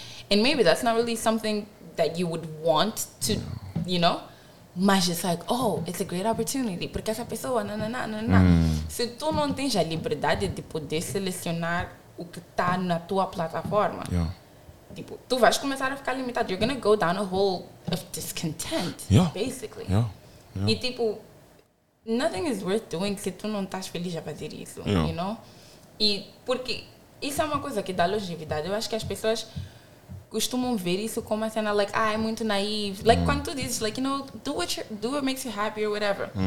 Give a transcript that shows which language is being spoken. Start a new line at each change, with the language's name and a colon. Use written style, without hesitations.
English: And maybe that's not really something that you would want to, you know?
Portuguese: Mas
English: it's like, oh, it's a great opportunity.
Portuguese: Porque essa pessoa, Se tu não tens a liberdade de poder selecionar o que está na tua plataforma, tipo, tu vais começar a ficar limitado.
English: You're going to go down a hole of discontent, basically. Yeah. Yeah.
Portuguese: E tipo,
English: nothing is worth doing
Portuguese: se tu não estás feliz a fazer isso,
English: you know?
Portuguese: E porque isso é uma coisa que dá longevidade. Eu acho que as pessoas costumam ver isso como uma cena, like, ah, é muito naive.
English: Like,
Portuguese: quando tu dizes,
English: like, you know, do what makes you happy or whatever.